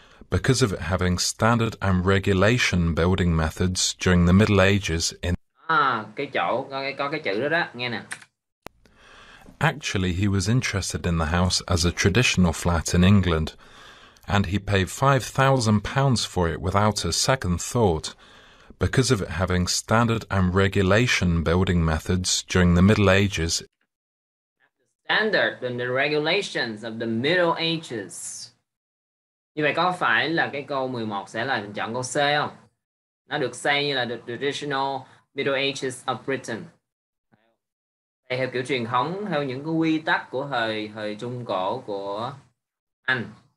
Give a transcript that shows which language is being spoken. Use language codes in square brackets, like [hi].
[en] Because of it having standard and regulation building methods during the Middle Ages in [vi] cái chỗ có cái chữ đó đó, nghe nè. [en] Actually, he was interested in the house as a traditional flat in England, and he paid £5,000 for it without a second thought, because of it having standard and regulation building methods during the Middle Ages. Standard and the regulations of the Middle Ages. [vi] Như vậy có phải là cái câu 11 sẽ là mình chọn câu C không? Nó được xây như là [en] the traditional Middle Ages of Britain. [vi] Đây theo kiểu truyền thống, theo những cái quy tắc của thời Trung Cổ của Anh.